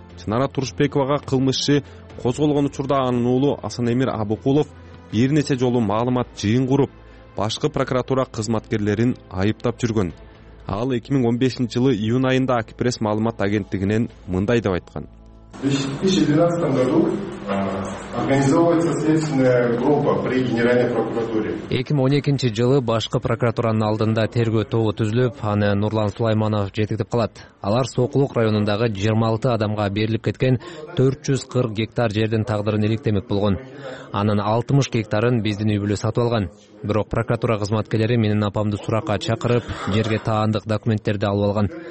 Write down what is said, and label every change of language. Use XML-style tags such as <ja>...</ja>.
<ky>Чынара Турушбековага кылмыш иши козголгон учурда анын уулу Асан Эмир Абыкулов бир нече жолу маалымат жыйын куруп, башкы прокуратура кызматкерлерин айыптап жүргөн. Ал 2015-жылы июнь айында Акпресс маалымат агенттигинен мындай деп айткан.</ky> <ru>В 2012 году организовывается следственная группа при Генеральной прокуратуре.</ru> <ky>2012 жылы башкы прокуратуранын алдында тергөө тобу түзүлүп, аны Нурлан Сулайманов жетектеп калат. Алар Сокулук районундагы 26 адамга берилип кеткен 440 гектар жердин тагдырын иликтемек болгон. Анын 60 гектарын биздин үй бүлө сатып алган. Бирок прокуратура кызматкерлери менин апамды суракка чакырып, жерге таандык документтерди алып алган.</ky>